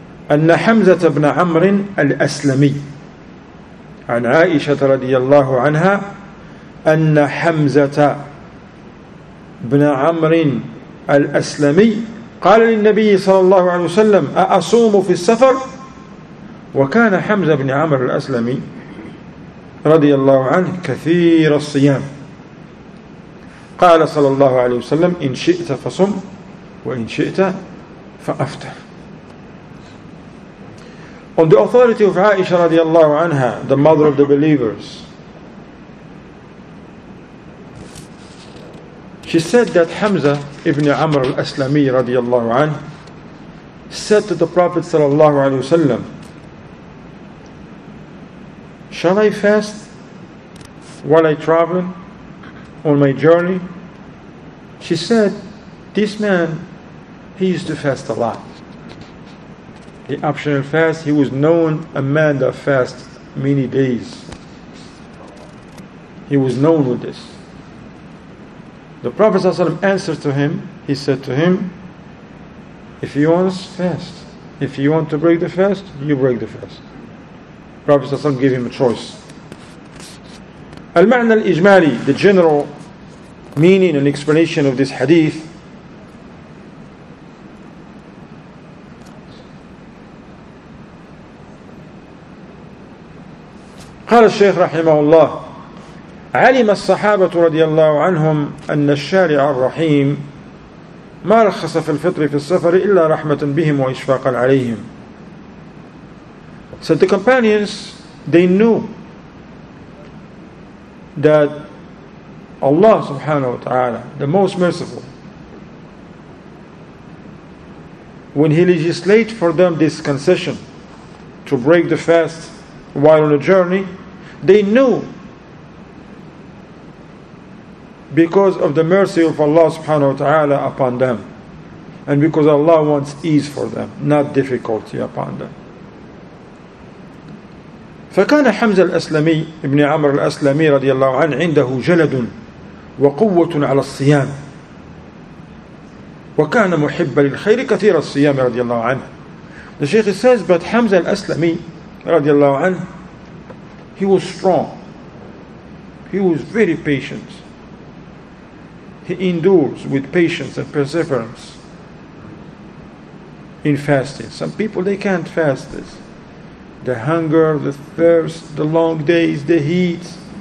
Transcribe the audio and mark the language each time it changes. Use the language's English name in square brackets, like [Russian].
[Arabic] أن حمزة بن عمرو الأسلمي عن عائشة رضي الله عنها أن حمزة بن عمرو الأسلمي قال للنبي صلى الله عليه وسلم أأصوم في السفر؟ وكان حمزة بن عمرو الأسلمي رضي الله عنه كثير الصيام. قال صلى الله عليه وسلم إن شئت فصم وإن شئت فأفطر. [English] On the authority of Aisha radiallahu anha, the mother of the believers, she said that Hamza ibn Amr al-Aslami radiallahu anhu said to the Prophet sallallahu alayhi wa sallam, shall I fast while I travel on my journey? She said, this man, he used to fast a lot. The optional fast, he was known a man that fast many days. He was known with this. The Prophet ﷺ answered to him, he said to him, if you want fast, if you want to break the fast, you break the fast. Prophet ﷺ gave him a choice. [Arabic] المعنى الإجمالي, [English] the general meaning and explanation of this hadith, [Arabic] قال الشيخ رحمه الله علم الصحابة رضي الله عنهم أن الشارع الرحيم ما رخص في الفطر في السفر إلا رحمة بهم وإشفاقا عليهم [English] So the companions, they knew that Allah subhanahu wa ta'ala, the most merciful, when He legislates for them this concession to break the fast while on a journey, they knew because of the mercy of Allah subhanahu wa ta'ala upon them, and because Allah wants ease for them, not difficulty upon them. [Arabic] فكان حمزة الأسلمي ابن عمرو الأسلمي رضي الله عنه عنده جلد وقوة على الصيام وكان محب للخير كثير الصيام رضي الله عنه. [English] The Sheikh says that Hamza al-Aslami [Arabic] رضي الله عنه, [English] he was strong, he was very patient, he endures with patience and perseverance in fasting. Some people, they can't fast this. The hunger, the thirst, the long days, the heat.